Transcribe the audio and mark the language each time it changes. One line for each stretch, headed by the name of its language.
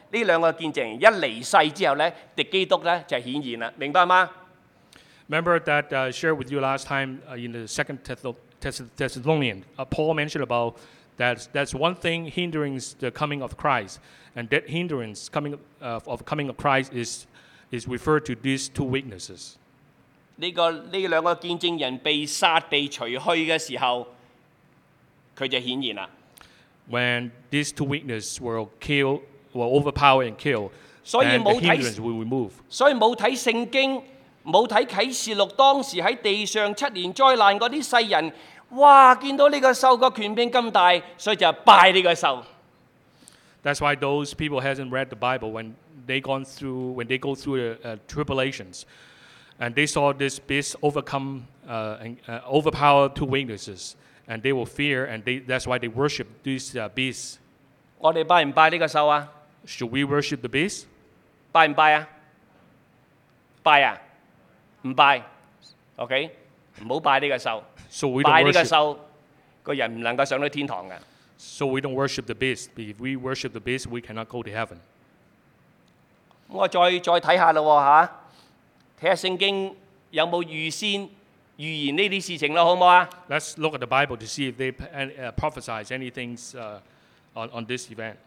Cantonese: 呢兩個見證人一離世之後咧，敵基督咧就顯現啦，明白嗎
English: ？Remember that shared with you last time in the second Thessalonians, Paul mentioned about that's one thing hindering the coming of Christ, and that hindrance coming of Christ is referred to these two witnesses.
Cantonese: 呢兩個見證人被殺被除去嘅時候，佢就顯現啦。
English: When these two witnesses were killed, were overpowered and killed, and the hindrance will remove.
Cantonese: 所以冇睇聖經，冇睇啟示錄，當時喺地上七年災難嗰啲世人，哇！見到呢個獸個權柄咁大，所以就拜呢個獸。
English: That's why those people hasn't read the Bible when they go through the tribulations, and they saw this beast overcome and overpower two witnesses. And they will fear, and that's why they worship these beasts.
Cantonese: 我哋拜唔拜呢个兽啊
English: ？Should we worship the beast? 拜唔拜啊？拜啊？唔拜 ？OK， 唔好拜呢个兽。 So we
Cantonese: 拜呢个兽，个人唔能够上到天堂嘅。
English: So we don't worship the beast. If we worship the beast, we cannot go to heaven.
Cantonese: 我再睇下咯嚇，睇下聖經有冇預先預言呢啲事情咯，好唔好啊
English: ？Let's look at the Bible to see if they prophesize anything on this event.